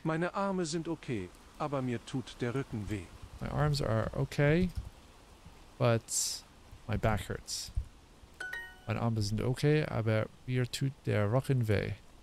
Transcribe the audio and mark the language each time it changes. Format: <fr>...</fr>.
<de>Meine Arme sind okay, aber mir tut der Rücken weh.</de> <en>My arms are okay, but my back hurts.</en> <de>Mein Arm ist okay, aber mir tut der Rücken weh.</de>